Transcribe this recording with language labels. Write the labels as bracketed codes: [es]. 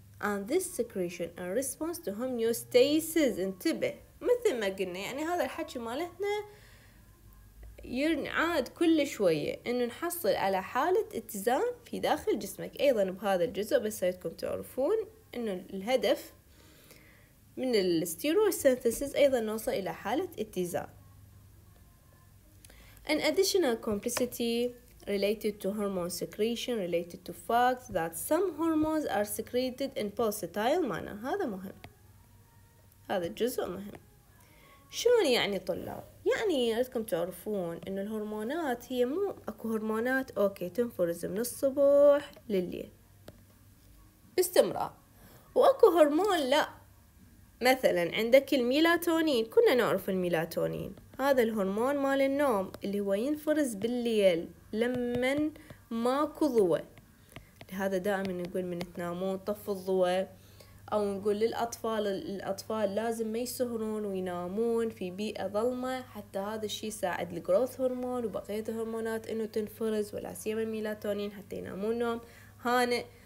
[en] And this secretion in response to homeostasis، [ar] انتبه مثل ما قلنا يعني هذا الحكي مالتنا ينعاد كل شوية انه نحصل على حالة اتزان في داخل جسمك ايضا بهذا الجزء، بس هيدكم تعرفون انه الهدف من الستيرويد سينثيسيس ايضا نوصل الى حالة اتزان. [en] An additional complexity related to hormone secretion related to fact that some hormones are secreted in pulsatile manner. [ar] هذا مهم، هذا جزء مهم. شلون يعني طلاب؟ يعني لازمكم تعرفون ان الهرمونات هي مو اكو هرمونات اوكي تنفرز من الصبح لليل باستمرار، واكو هرمون لا. مثلا عندك الميلاتونين، كنا نعرف الميلاتونين هذا الهرمون مال النوم اللي هو ينفرز بالليل لمن ماكو ضوء، لهذا دائما نقول من تنامون طفوا الضوء، او نقول للاطفال الاطفال لازم ما يسهرون وينامون في بيئه ظلمه حتى هذا الشيء يساعد الجروث هرمون وبقيه الهرمونات انه تنفرز ولا سيما الميلاتونين حتى ينامون نوم هانئ.